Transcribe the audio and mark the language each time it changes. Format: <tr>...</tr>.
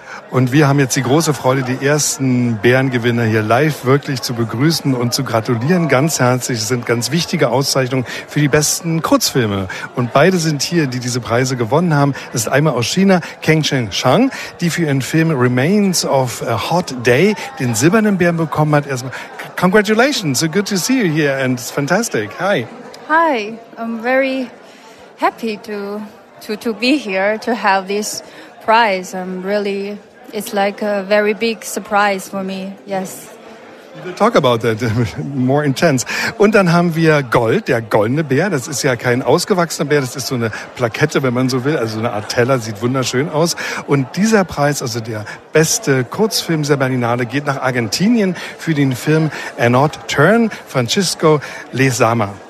<de>Und wir haben jetzt die große Freude, die ersten Bärengewinner hier live wirklich zu begrüßen und zu gratulieren. Ganz herzlich, es sind ganz wichtige Auszeichnungen für die besten Kurzfilme. Und beide sind hier, die diese Preise gewonnen haben. Das ist einmal aus China, Kang Chen-Shang, die für ihren Film Remains of a Hot Day den Silbernen Bären bekommen hat.</de> <en>Erstmal, congratulations, so good to see you here and it's fantastic. Hi. Hi, I'm very happy to be here to have this prize. I'm really, it's like a very big surprise for me. Yes. We'll talk about that more intense.</en> <de>Und dann haben wir Gold, der goldene Bär. Das ist ja kein ausgewachsener Bär, das ist so eine Plakette, wenn man so will. Also eine Art Teller, sieht wunderschön aus. Und dieser Preis, also der beste Kurzfilm der Berlinale, geht nach Argentinien für den Film An Odd Turn, Francisco Lezama.</de>